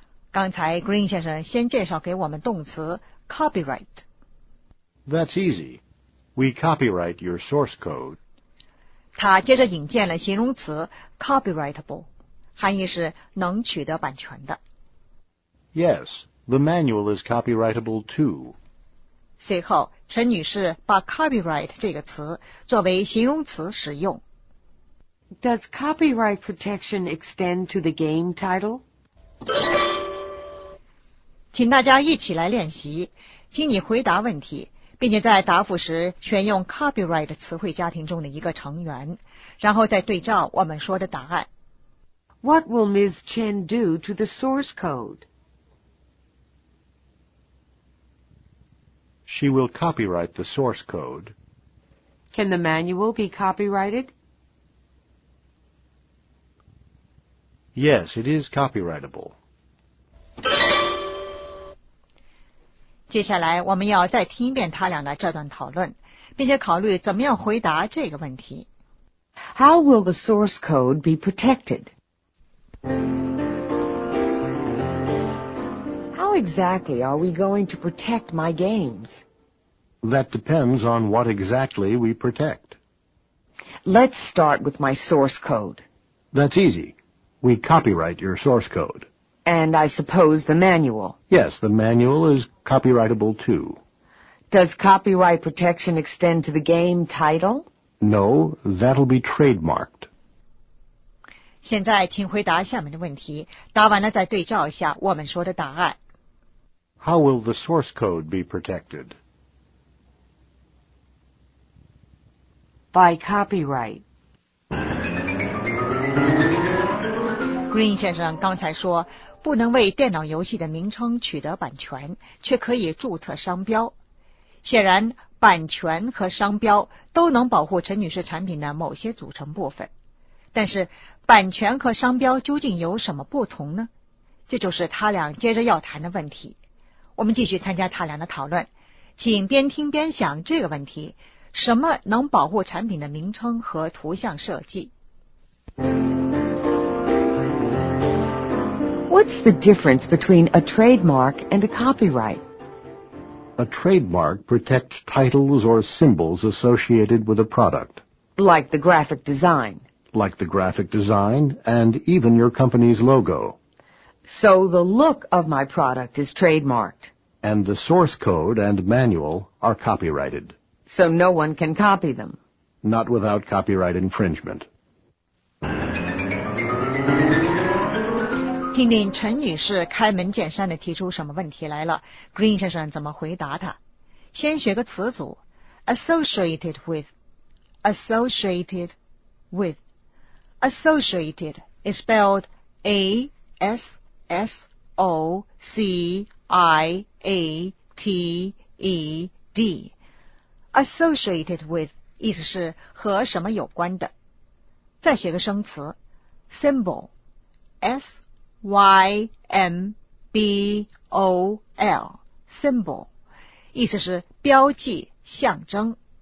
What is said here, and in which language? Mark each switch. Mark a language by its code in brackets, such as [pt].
[zh] 刚才 Green 先生先介绍给我们动词 copyright。 [en] That's easy. We copyright your source code. [zh] 他接着引荐了形容词 copyrightable，含义是能取得版权的。 [en] Yes, the manual is copyrightable too. [zh] 随后陈女士把 copyright 这个词作为形容词使用。 [en] Does copyright protection extend to the game title? [zh] 请大家一起来练习，听你回答问题，并且在答复时选用 copyright 词汇家庭中的一个成员，然后再对照我们说的答案。 [en] What will Ms. Chen do to the source code? She will copyright the source code. Can the manual be copyrighted? Yes, it is copyrightable. [zh] 接下来我们要再听一遍他俩的这段讨论，并且考虑怎么样回答这个问题。 [en] How will the source code be protected? How exactly are we going to protect my games? That depends on what exactly we protect. Let's start with my source code. That's easy. We copyright your source code. And I suppose the manual. Yes, the manual is copyrightable too. Does copyright protection extend to the game title? No, that'll be trademarked. [zh] 现在请回答下面的问题，答完了再对照一下我们说的答案。 [en] How will the source code be protected? By copyright. [zh] Green 先生刚才说，不能为电脑游戏的名称取得版权，却可以注册商标。显然，版权和商标都能保护陈女士产品的某些组成部分。但是版权和商标究竟有什么不同呢？这就是他俩接着要谈的问题。我们继续参加他俩的讨论，请边听边想这个问题：什么能保护产品的名称和图像设计？ [en] What's the difference between a trademark and a copyright? A trademark protects titles or symbols associated with a product. Like the graphic design. Like the graphic design, and even your company's logo. So the look of my product is trademarked. And the source code and manual are copyrighted. So no one can copy them. Not without copyright infringement. [zh] 听听陈女士开门见山地提出什么问题来了， Green 先生怎么回答她。先学个词组， associated with. [en] Associated is spelled A-S-S-O-C-I-A-T-E-D. [zh] Associated with 意思是和什么有关的。再学个生词 symbol, S-Y-M-B-O-L, symbol, 意思是标记、象征。